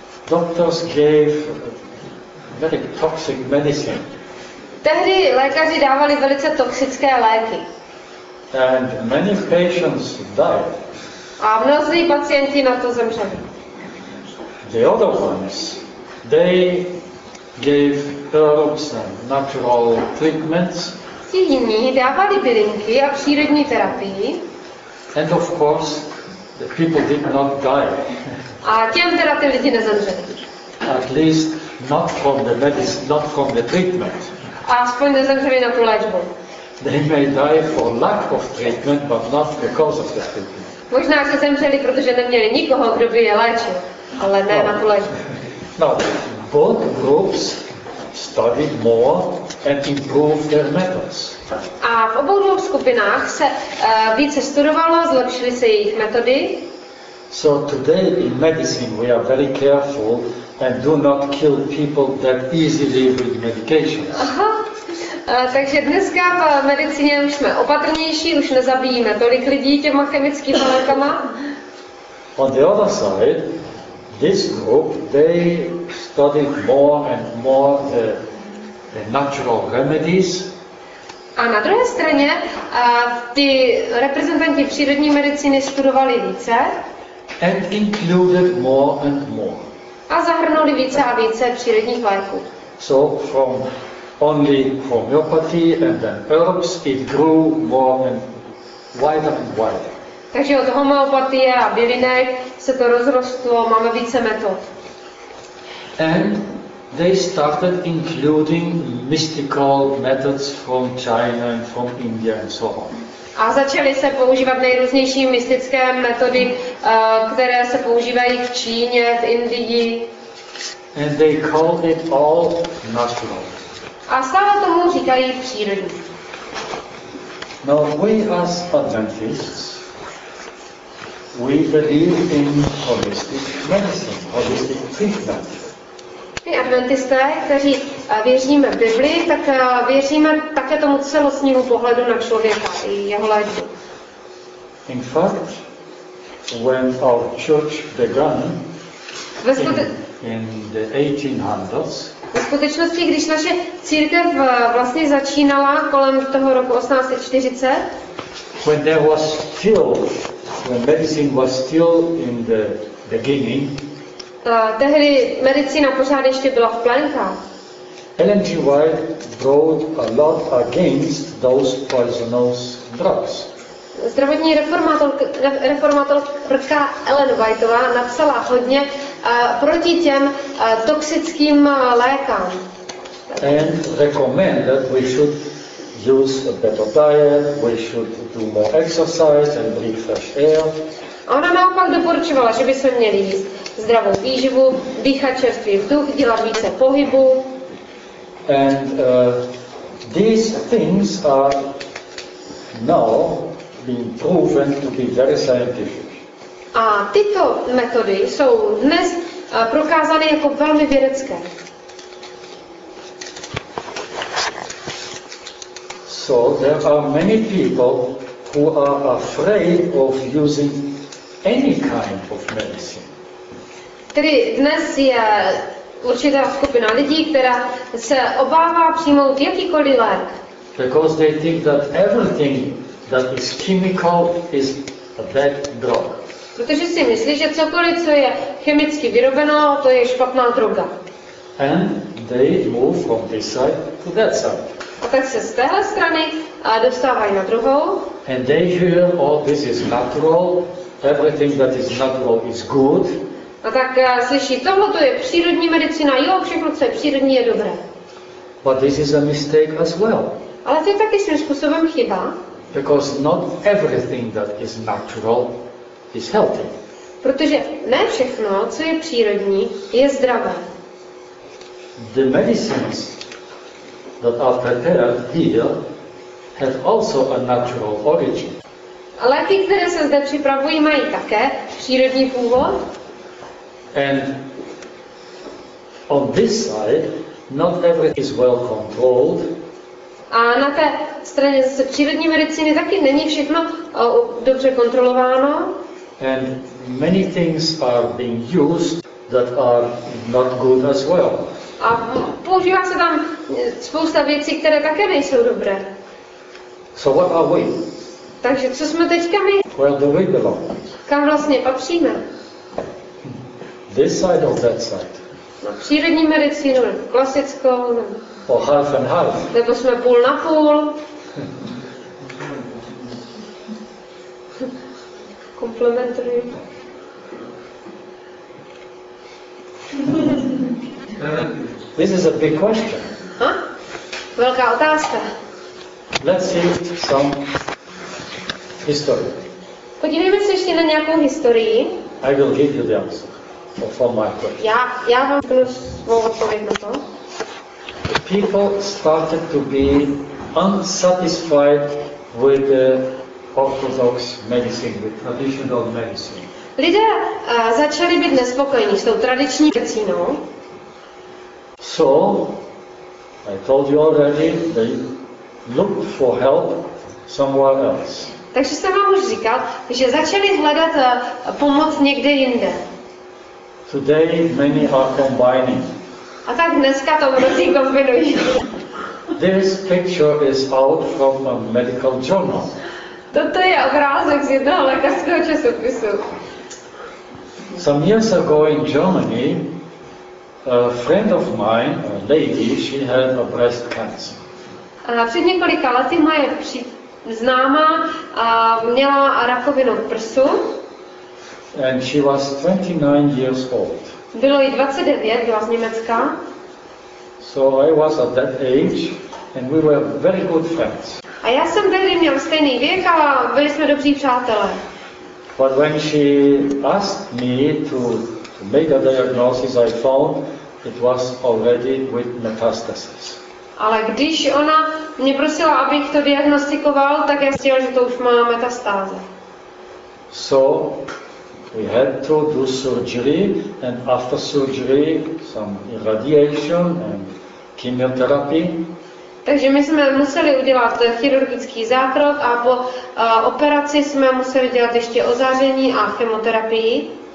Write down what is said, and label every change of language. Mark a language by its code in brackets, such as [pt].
[en] doctors gave very toxic medicine. [cs] Tehdy lékaři dávali velice toxické léky. [en] And many patients died. [cs] A mnozí pacienti na to zemřeli. [en] The other ones, they gave herbs and natural treatments. [cs] Ti jiní dávali bylinky a přírodní terapii. [en] And of course, the people did not die. [cs] A těm teda ty lidi nezemřeli. [en] At least not from the medicine, not from the treatment. [cs] Aspoň nezemřeli na tu léčbu. [en] They may die for lack of treatment, but not because of the treatment. [cs] Možná se zemřeli, protože neměli nikoho, kdo by je léčil, ale ne na tu léčbu. [en] Now, both groups studied more and improved their methods. [cs] A v obou dvou skupinách se více studovalo, zlepšily se jejich metody. [en] So today in medicine we are very careful and do not kill people that easily with medications. [cs] Takže dneska v medicíně už jsme opatrnější, už nezabijíme tolik lidí těma chemickými lékama. [en] On the other side, this group, they studied more and more the natural remedies. [cs] A na druhé straně, ty reprezentanti přírodní medicíny studovali více. [en] And included more and more. [cs] A zahrnuli více a více přírodních léků. [en] So from only homeopathy and then herbs, it grew more and wider and wider. [cs] Takže od homeopatie a bylinek se to rozrostlo, máme více metod. [en] And they started including mystical methods from China and from India and so on. [cs] A začaly se používat nejrůznější mystické metody, které se používají v Číně, v Indii. [en] And they called it all natural. [cs] A stále tomu říkají přírodní. [en] Now we as Adventists, we believe in holistic medicine, holistic treatment. [cs] My adventisté, kteří věříme Bibli, tak věříme také tomu celostnímu pohledu na člověka i jeho léčbu. [en] In fact, when our church began in the 1800s, [cs] ve skutečnosti, když naše církev vlastně začínala kolem toho roku 1840, [en] when there was still, when medicine was still in the beginning. [cs] Tehdy medicína pořád ještě byla v plenkách. [en] Ellen G. White brought a lot against those poisonous drugs. [cs] Zdravotní reformátorka Ellen Whiteová napsala hodně proti těm toxickým lékám. [en] And recommend that we should use a better diet, we should do more exercise and breathe fresh air. [cs] Ona naopak doporučovala, že bychom měli jíst zdravou výživu, dýchat čerstvý vzduch, dělat více pohybu. [en] And these things are now being proven to be very scientific. [cs] A tyto metody jsou dnes prokázány jako velmi vědecké. [en] So there are many people who are afraid of using any kind of medicine. [cs] Tedy dnes je určitá skupina lidí, která se obává přijmout jakýkoliv lék. [en] Because they think that everything that is chemical is a bad drug. [cs] Protože si myslí, že cokoliv, co je chemicky vyrobeno, to je špatná droga. [en] And they move from this side to that side. [cs] A tak se z téhle strany dostávají na druhou. [en] And they hear, oh, this is natural. Everything that is natural is good. [cs] A tak slyší, tohle to je přírodní medicina, jo, všechno, co je přírodní, je dobré. [en] But this is a mistake as well. [cs] Ale to je taky svým způsobem chyba. [en] Because not everything that is natural is healthy. [cs] Protože ne všechno, co je přírodní, je zdravé. [en] The medicines that are prepared here have also a natural origin. [cs] Léky, které se zde připravují, mají také přírodní původ. [en] And on this side, not everything is well controlled. [cs] A na té straně zase přírodní medicíny taky není všechno dobře kontrolováno. [en] And many things are being used that are not good as well. [cs] A používá se tam spousta věcí, které také nejsou dobré. [en] So what are we? [cs] Takže co jsme teďka my? [en] Where do we belong? [cs] Kam vlastně patříme? [en] This side or that side? [cs] Na přírodní medicínu, klasickou. [en] Or half and half. [cs] Nebo jsme půl na půl. [en] Komplementary. This is a big question. [cs] Huh? Velká otázka. [en] Let's see some history. [cs] Podívejme se ještě na nějakou historii. [en] I will give you the answer. For my question. [cs] Já vám řeknu svou odpověď na to. [en] People started to be unsatisfied with the orthodox medicine, with traditional medicine. [cs] Lidé začali být nespokojení s tou tradiční medicínou. [en] So, I told you already, they looked for help somewhere else. [cs] Takže jsem vám už říkal, že začali hledat pomoc někde jinde. [en] Today many are combining. [cs] A tak dneska to mnozí kombinují. [en] This picture is out from a medical journal. [cs] Toto je obrázek z jednoho lékařského časopisu. [en] Some years ago in Germany, a friend of mine, a lady, she had a breast cancer. [cs] Před několika lety moje známá měla rakovinu v prsu. [en] And she was 29 years old. [cs] Bylo jí 29, byla z Německa. [en] So I was at that age and we were very good friends. [cs] A já jsem tehdy měl stejný věk a byli jsme dobří přátelé. [en] But when she asked me to make a diagnosis, I found it was already with metastasis. [cs] Ale když ona mě prosila, abych to diagnostikoval, tak já si říkal, že to už má metastáze. [en] So we had to do surgery, and after surgery, some irradiation and chemotherapy. [cs] Takže my jsme museli udělat chirurgický zákrok a po operaci jsme museli dělat ještě ozáření a chemoterapii.